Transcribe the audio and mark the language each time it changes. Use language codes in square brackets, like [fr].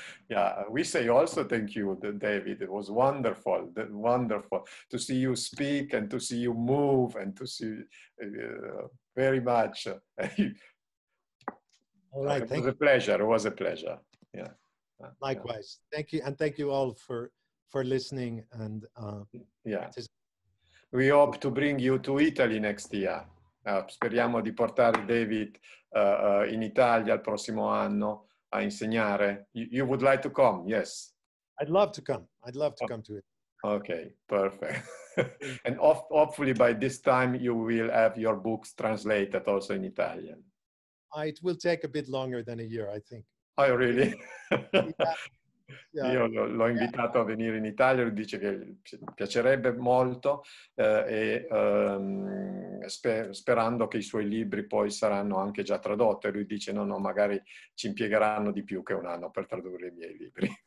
[en] Yeah, we say also thank you, David. It was wonderful, wonderful to see you speak and to see you move and to see very much. All right, thank you. It was a pleasure. Yeah. Likewise. Yeah. Thank you. And thank you all for listening. And We hope to bring you to Italy next year. [it] Speriamo di portare David in Italia il prossimo anno a insegnare. [en] You would like to come? Yes. I'd love to come. I'd love to come to it. Okay, perfect. And hopefully by this time you will have your books translated also in Italian. It will take a bit longer than a year, I think. Oh, really? [it] Yeah. Io l'ho invitato a venire in Italia, lui dice che piacerebbe molto sperando che i suoi libri poi saranno anche già tradotti. Lui dice no, magari ci impiegheranno di più che un anno per tradurre i miei libri.